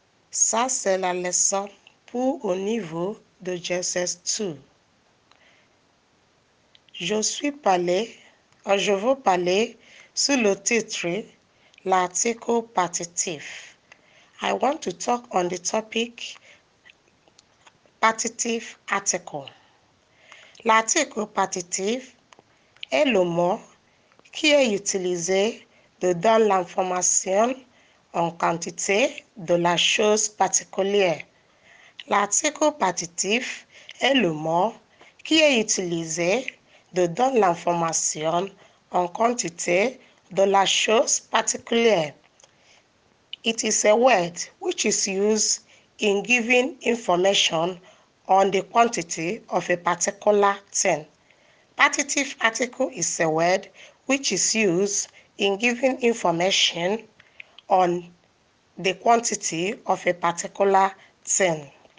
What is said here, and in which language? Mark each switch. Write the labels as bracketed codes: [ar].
[fr] Ça, c'est la leçon pour au niveau de GCS2. Je veux parler sur le titre, l'article partitif. [en] I want to talk on the topic, partitif article. [fr] L'article partitif est le mot qui est utilisé dans l'information en quantité de la chose particulière. L'article partitif est le mot qui est utilisé dans l'information en quantité de la chose particulière. [en] It is a word which is used in giving information on the quantity of a particular thing. Partitif article is a word which is used in giving information on the quantity of a particular thing.